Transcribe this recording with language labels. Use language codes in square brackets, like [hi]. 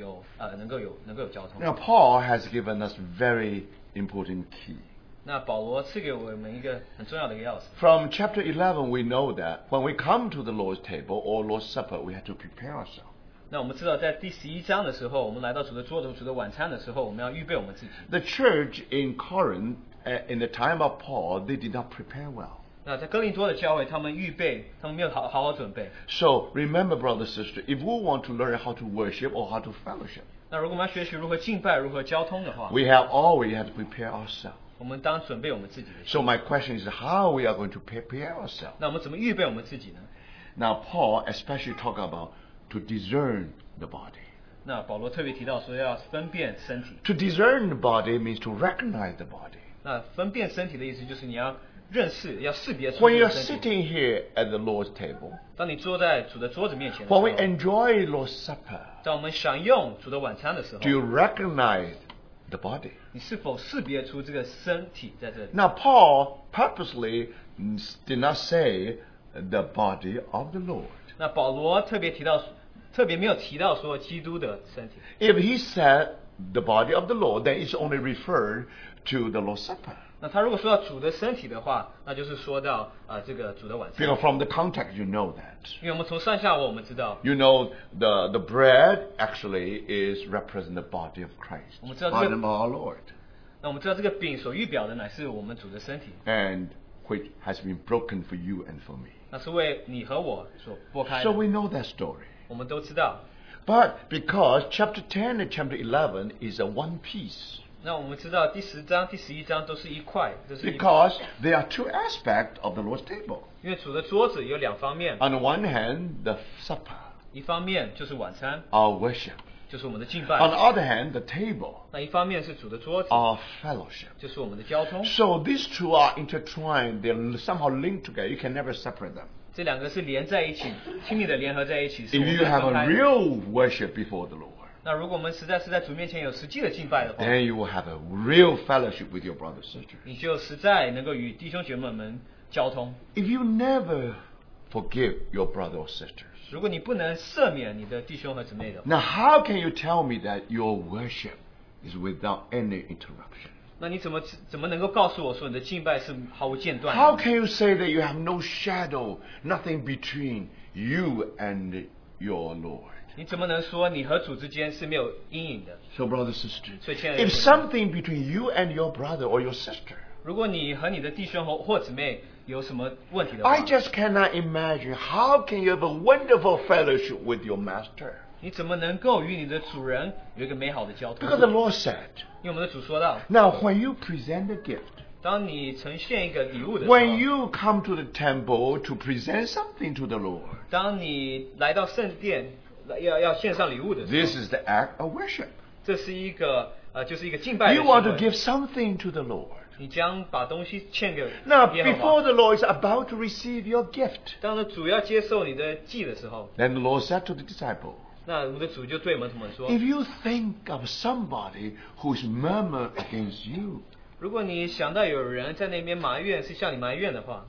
[zh] 那我的负担乃是我们如何能够在主的桌，在擘饼的时候，在主的桌子的时候有能够有交通。 [en] Now Paul has given us very important key. [zh] 那保罗赐给我们一个很重要的一个钥匙。 [en] From chapter 11, we know that when we come to the Lord's table or Lord's supper, we have to prepare ourselves. [zh] 那我们知道在第十一章的时候，我们来到主的桌头、主的晚餐的时候，我们要预备我们自己。 [en] The church in Corinth, in the time of Paul, they did not prepare well. [zh] 那在哥林多的教会，他们预备，他们没有好好准备。So [en] remember, brother, sister, if we want to learn how to worship or how to fellowship, [zh] 那如果我们要学习如何敬拜、如何交通的话, [en] we have all we have to prepare ourselves. [zh] 我们当准备我们自己的心。 [en] So my question is, how are we are going to prepare ourselves? [zh] 那我们怎么预备我们自己呢？ [en] Now Paul especially talk about to discern the body. [zh] 那保罗特别提到说要分辨身体。To [en] discern the body means to recognize the body. [zh] 那分辨身体的意思就是你要认识，要识别出。 [en] When you're sitting here at the Lord's table, [zh] 当你坐在主的桌子面前。 [en] When we enjoy Lord's supper, [zh] 当我们享用主的晚餐的时候。 [en] Do you recognize the body? [zh] 你是否识别出这个身体在这里？ [en] Now Paul purposely did not say the body of the Lord. [zh] 那保罗特别提到，特别没有提到说基督的身体。 [en] If he said the body of the Lord, then it's only referred to the Lord's Supper. [zh] 那他如果说到主的身体的话，那就是说到这个主的晚餐。 [en] Because from the context, you know that. [zh] 因为我们从上下文我们知道。 [en] You know the bread actually is represent the body of Christ. [zh] 我们知道这个, [en] body of our Lord. [zh] 那我们知道这个饼所预表的乃是我们主的身体。 [en] And which has been broken for you and for me. [zh] 那是为你和我所擘开的。 [en] So we know that story. [zh] 我们都知道。 [en] But because chapter 10 and chapter 11 is a one piece. [zh] 那我们知道第十章、第十一章都是一块。 [en] Because there are two aspects of the Lord's table. [zh] 因为主的桌子有两方面。 [en] On one hand, the supper. [zh] 一方面就是晚餐。 [en] Our worship. [zh] 就是我们的敬拜。 [en] On the other hand, the table. [zh] 那一方面是主的桌子。 [en] Our fellowship. [zh] 就是我们的交通。 [en] So these two are intertwined. They're somehow linked together. You can never separate them. [zh] 这两个是连在一起, 亲密的联合在一起, [en] if you have a real worship before the Lord, [zh] 那如果我们实在是在主面前有实际的敬拜的话, [en] then you will have a real fellowship with your brother and sister. [zh] 你就实在能够与弟兄姐妹们交通。 [en] If you never forgive your brother or sister, [zh] 如果你不能赦免你的弟兄和姊妹的话, [en] now how can you tell me that your worship is without any interruption? [zh] 那你怎么能够告诉我说你的敬拜是毫无间断的? [en] How can you say that you have no shadow, nothing between you and your Lord? [zh] 你怎么能说你和主之间是没有阴影的? [en] So brother, sister, [zh] 所以亲爱的, [en] if something between you and your brother or your sister, [zh] 如果你和你的弟兄或姊妹, [en] I just cannot imagine how can you have a wonderful fellowship with your master. Because the Lord said, [zh] 因为我们的主说到, [en] now when you present a gift, when you come to the temple to present something to the Lord, [zh] 当你来到圣殿, 要献上礼物的时候, [en] this is the act of worship. [zh] 这是一个, 就是一个敬拜的行为, [en] you want to give something to the Lord. [zh] 你将把东西献给耶和华, [en] now, before the Lord is about to receive your gift, [zh] 当主要接受你的祭的时候, [en] then the Lord said to the disciple, [zh] 那我们的主就对门徒们说, [en] if you think of somebody who's murmured against you, [zh] 如果你想到有人在那边埋怨，是向你埋怨的话,